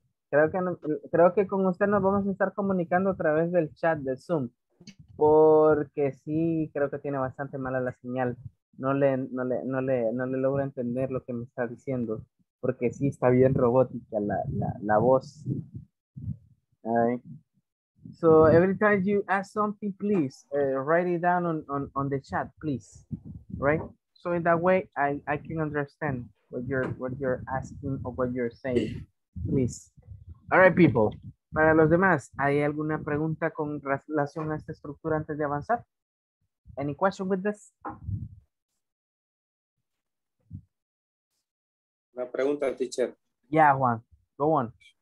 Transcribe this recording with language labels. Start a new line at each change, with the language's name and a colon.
Spanish: Creo que con usted nos vamos a estar comunicando a través del chat de Zoom, porque sí, creo que tiene bastante mala la señal. No le logro entender lo que me está diciendo, porque sí está bien robótica la voz.
English: All right. So every time you ask something, please write it down on the chat, please. Right? So in that way I can understand what you're asking or what you're saying. Please. All right, people.
Spanish: Para los demás, ¿hay alguna pregunta con relación a esta estructura antes de avanzar?
English: Any question with this?
Spanish: Una pregunta, teacher.
English: Yeah, Juan. Go on.